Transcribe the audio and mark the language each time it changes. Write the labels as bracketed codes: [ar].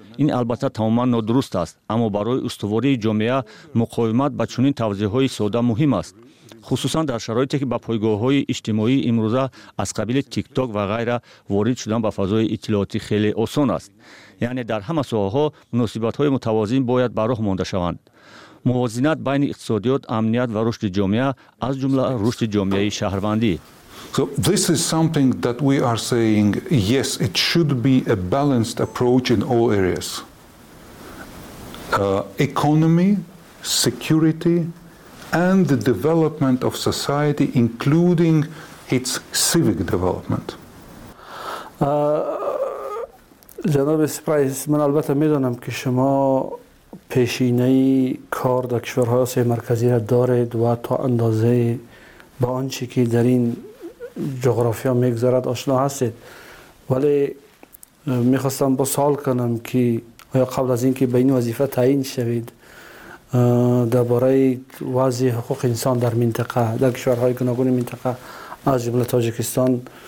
[fa] این البته تماما نادرست است، اما برای استواری جامعه مقاومت به چنین توضیح های ساده مهم است، خصوصا در شرایطی که با پایگاه‌های اجتماعی امروزه از قبیل تیک تاک و غیره وارد شدن به فضای اطلاعاتی خیلی آسان است. یعنی در همه ساحه‌ها مناسبت‌های متوازن باید به راه مانده شوند. موازنت بین اقتصادیات، امنیت و رشد جامعه از جمله رشد جامعه شهروندی. [en] So this is something that we are saying yes, it should be a balanced approach in all areas. Economy, security and the development of society, including its civic development. [fa] جناب سپرایز، من البته میدونم که شما پیشینه کار در کشورهای آسیای مرکزی را دارید و تا اندازه با آنچه که در این جغرافیا میگذرد آشنا هستید، ولی میخواستم با سوال کنم که آیا قبل از اینکه به این وظیفه تعیین شوید درباره وضع حقوق انسان در منطقه، در کشورهای گوناگون منطقه از جمله تاجیکستان